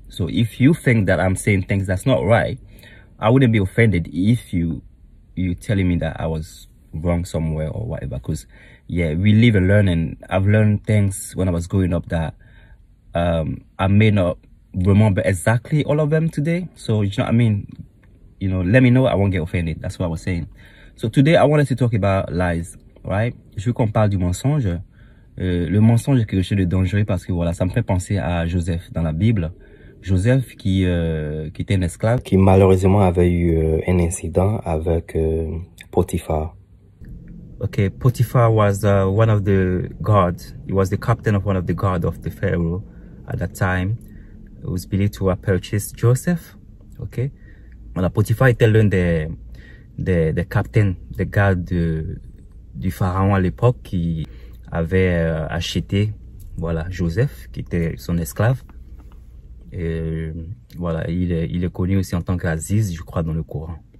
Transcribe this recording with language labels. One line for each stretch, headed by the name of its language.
English: So if you think that I'm saying things that's not right, I wouldn't be offended if you telling me that I was wrong somewhere or whatever, because yeah, we live and learn, and I've learned things when I was growing up that I may not remember exactly all of them today. So you know what I mean, you know, let me know, I won't get offended. That's what I was saying. So today I wanted to talk about lies, right?
French: Je veux qu'on parle du mensonge. Le mensonge est quelque chose de dangereux, parce que voilà, ça me fait penser à Joseph dans la Bible. Joseph qui était un esclave, qui malheureusement avait eu un incident avec Potiphar.
English: Okay, Potiphar was one of the guards. He was the captain of one of the guards of the Pharaoh at that time. It was believed to have purchased Joseph.
French: Okay, voilà, Potiphar était l'un des captains, des gardes du pharaon à l'époque, qui avait acheté voilà Joseph, qui était son esclave. Et voilà, il est connu aussi en tant qu'Aziz, je crois, dans le Coran.